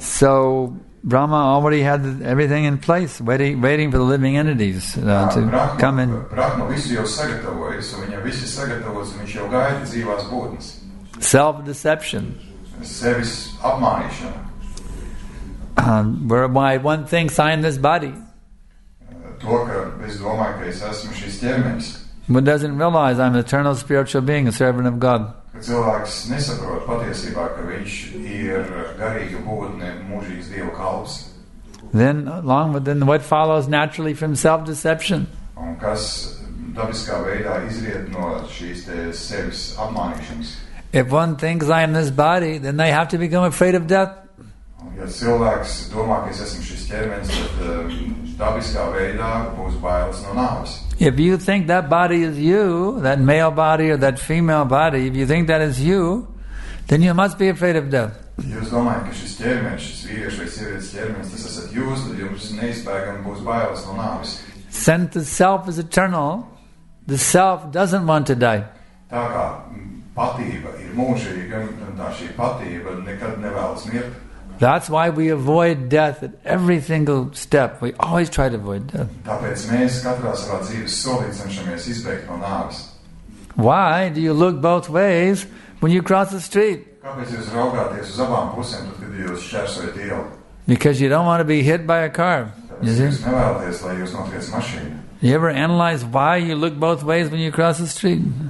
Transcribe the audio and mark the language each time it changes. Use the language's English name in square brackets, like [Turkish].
[English] So Brahma already had everything in place, waiting for the living entities to Brahma, come in. [Latvian] Brahma visu jau sagatavojis, un viņa visi sagatavojis, un viņš jau gaida dzīvās būtnes. [English] Self-deception. [Latvian] Sevis apmānīšana. [English] Whereby one thinks I am this body. [Latvian] To, ka es domāju, ka es esmu šis ķermenis. [English] One doesn't realize I'm an eternal spiritual being, a servant of God. [Latvian] Cilvēks nesaprot patiesībā, ka viņš ir garīga būtne, mūžīgs Dieva kalps. [English] Then, along with then, what follows naturally from self-deception? [Latvian] Un kas dabiskā veidā izriet no šīs te sevis apmānīšanas? [English] If one thinks I am this body, then they have to become afraid of death. [Latvian] Ja cilvēks domā, ka es esmu šis ķermenis, tad dabiskā veidā būs bailes no nāves. [English] If you think that body is you, that male body or that female body, if you think that is you, then you must be afraid of death. [Latvian] Jūs domājat, ka šis ķermenis, šis vīriešu vai sievietes ķermenis, tas esat jūs, tad jums neizbēgami būs bailes no nāves. [English] Since the self is eternal, the self doesn't want to die. [Latvian] Tā kā patība ir mūžīga, un tā šī patība nekad nevēlas mirt. [English] That's why we avoid death at every single step. We always try to avoid death. [Latvian] Tāpēc mēs katrā savā dzīves solī cenšamies izbēgt no nāves. [English] Why do you look both ways when you cross the street? [Latvian] Kāpēc jūs raugāties uz abām pusēm, tad, kad jūs šķērsojat ielu? [English] Because you don't want to be hit by a car. [Latvian] Tāpēc jūs nevēlaties, lai jūs notriec mašīnu. [English] You ever analyze why you look both ways when you cross the street?